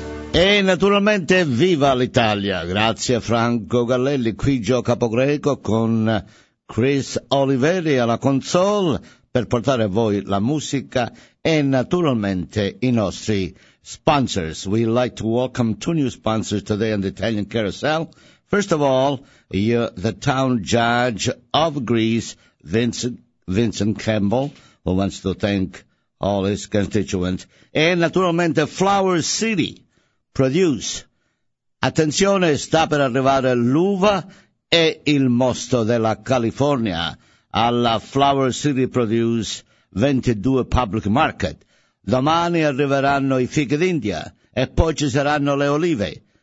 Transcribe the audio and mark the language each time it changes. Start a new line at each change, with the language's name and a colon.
Italian: E naturalmente viva l'Italia, grazie a Franco Gallelli, qui Gio Capogreco con Chris Oliveri alla console per portare a voi la musica e naturalmente i nostri sponsors.
English: We'd like to welcome two new sponsors today on the Italian Carousel. First of all, the town judge of Greece, Vincent Campbell, who wants to thank all his constituents.
Italian: E naturalmente Flower City Produce. Attenzione, sta per arrivare l'uva e il mosto della California alla Flower City Produce 22 Public Market. Domani arriveranno i fichi d'India e poi ci saranno le olive.